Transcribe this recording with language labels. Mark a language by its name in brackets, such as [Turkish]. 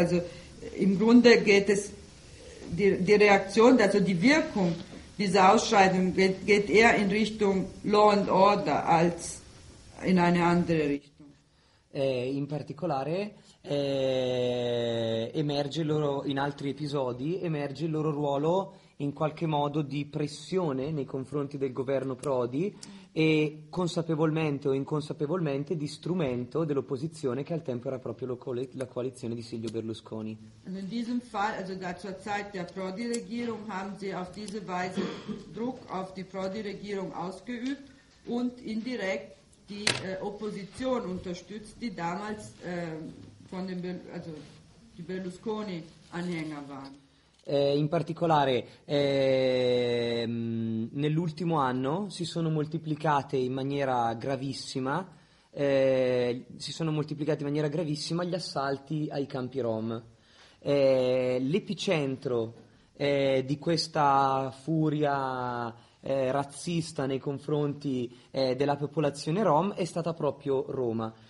[German] Also im Grunde geht es die Reaktion, also die Wirkung dieser Ausschreitung geht eher in Richtung Law and Order als in eine andere Richtung. [Italian] In particolare emerge loro in altri episodi emerge il loro ruolo in qualche modo di pressione nei confronti del governo Prodi e consapevolmente o inconsapevolmente di strumento dell'opposizione che al tempo era proprio la coalizione di Silvio Berlusconi. [German] In diesem Fall, also da zur Zeit der Prodi-Regierung, haben sie auf diese Weise Druck auf die Prodi-Regierung ausgeübt und indirekt die Opposition unterstützt, die damals von dem, also die Berlusconi-Anhänger waren. [Italian] In particolare nell'ultimo anno si sono moltiplicate in maniera gravissima gli assalti ai campi Rom. L'epicentro di questa furia razzista nei confronti della popolazione Rom è stata proprio Roma